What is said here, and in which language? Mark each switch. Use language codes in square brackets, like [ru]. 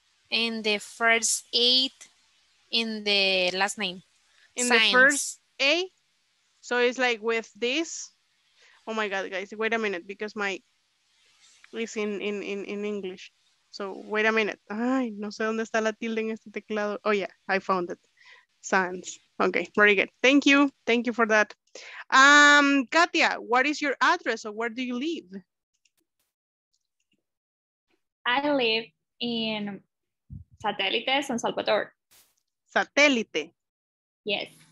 [en] In the first A, in the last name. In science. The first A, so it's like with this. Oh my God, guys! Wait a minute, because my is in English. So wait a minute. [es] Ay, no sé dónde está la tilde en este teclado. [en] Oh yeah, I found it. Sans. Okay, very good. Thank you. Thank you for that. Katia, what is your address or where do you live? I live in Satélite, San Salvador. Satélite. Yes.